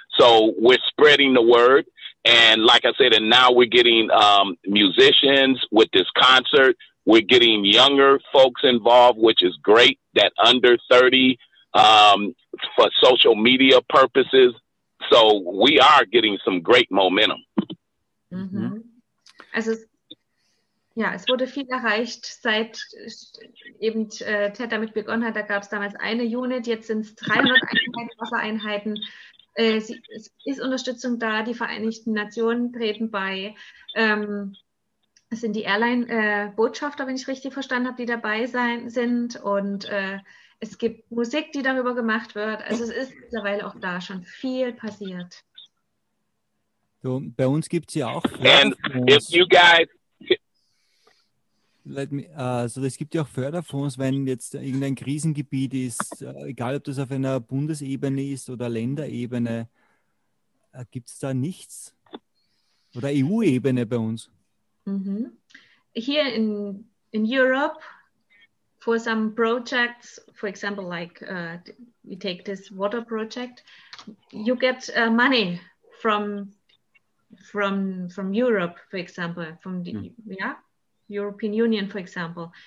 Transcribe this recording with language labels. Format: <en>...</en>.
<en>So we're spreading the word. And like I said, and now we're getting musicians with this concert. We're getting younger folks involved, which is great, that under 30 for social media purposes. So we are getting some great momentum.</en> <de>Also, ja, es wurde viel erreicht, seit eben Ted damit begonnen hat. Da gab es damals eine Unit, jetzt sind es 300 Einheiten, Wassereinheiten. Es ist Unterstützung da, die Vereinigten Nationen treten bei, es sind die Airline-Botschafter, wenn ich richtig verstanden habe, die dabei sind und es gibt Musik, die darüber gemacht wird, also es ist mittlerweile auch da schon viel passiert. So, bei uns gibt es ja auch Förderfonds. Es gibt ja auch Förderfonds, wenn jetzt irgendein Krisengebiet ist, egal ob das auf einer Bundesebene ist oder Länderebene, gibt es da nichts? Oder EU-Ebene bei uns?</de> <en>Here in Europe, for some projects, for example, like we take this water project, you get money from Europe, for example, from the European Union, for example.</en>